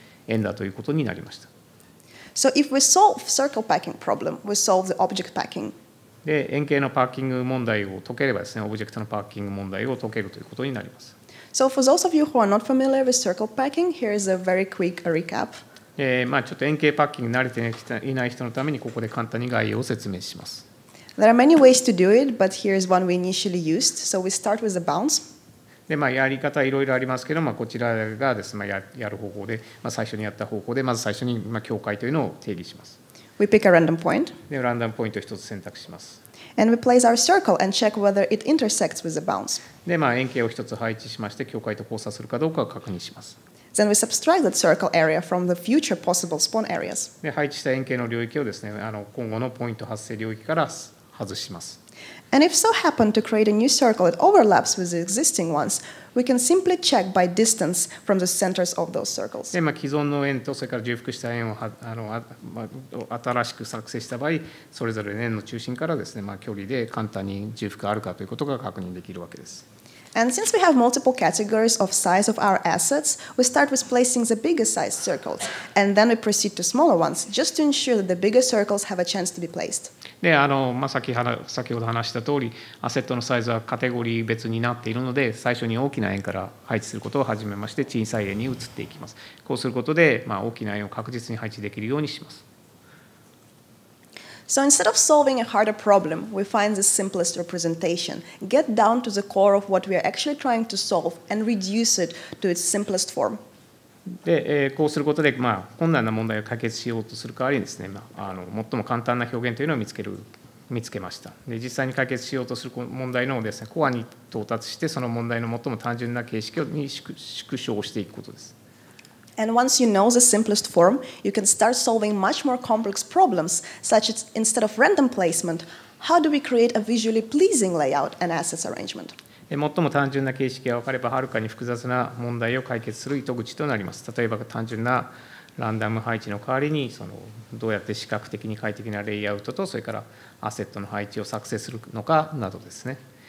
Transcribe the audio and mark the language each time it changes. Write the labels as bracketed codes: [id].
[ja] 円だということになりました。 [en] So if we solve circle packing problem, we solve the object packing. [ja] で、円形のパッキング問題を解ければですね、オブジェクトのパッキング問題を解けるということになります。 [en] So for those of you who are not familiar with circle packing, here is a very quick recap. [ja] まあ、ちょっと円形パッキング慣れていない人のためにここで簡単に概要を説明します。 [en] There are many ways to do it, but here is one we initially used. So we start with a bounce. [ja] で、まあ、やり方はいろいろありますけど、まあ、こちらがですね、まあ、やる方法で、まあ、最初にやった方法で、まず最初に、まあ、境界というのを定義します。 [en] We pick a random point. [ja] で、ランダムポイントを一つ選択します。 [en] And we place our circle and check whether it intersects with the bounds. [ja] で、まあ、円形を一つ配置しまして、境界と交差するかどうかを確認します。 [en] Then we subtract that circle area from the future possible spawn areas. [ja] で、配置した円形の領域をですね、今後のポイント発生領域から外します。 [en] And if so happen to create a new circle that overlaps with the existing ones, we can simply check by distance from the centers of those circles. [ja] で、まあ、既存の円とそれから重複した円を新しく作成した場合、それぞれ円の中心からですね、まあ、距離で簡単に重複があるかということが確認できるわけです。 [en] And since we have multiple categories of size of our assets, we start with placing the biggest size circles, and then we proceed to smaller ones, just to ensure that the bigger circles have a chance to be placed. [ja] で、まあ、先ほど話した通り、アセットのサイズはカテゴリー別になっているので、最初に大きな円から配置することを始めまして、小さい円に移っていきます。こうすることで、まあ、大きな円を確実に配置できるようにします。 [en] So instead of solving a harder problem, we find the simplest representation. Get down to the core of what we are actually trying to solve and reduce it to its simplest form. [ja] で、こうすることで、まあ、困難な問題を解決しようとする代わりにですね、まあ、最も簡単な表現というのを見つけました。で、実際に解決しようとする問題のですね、コアに到達して、その問題の最も単純な形式に縮小していくことです。 [en] And once you know the simplest form, you can start solving much more complex problems, such as instead of random placement, how do we create a visually pleasing layout and assets arrangement? [ja] 最も単純な形式が分かれば、はるかに複雑な問題を解決する糸口となります。例えば、単純なランダム配置の代わりに、どうやって視覚的に快適なレイアウトと、それからアセットの配置を作成するのかなどですね。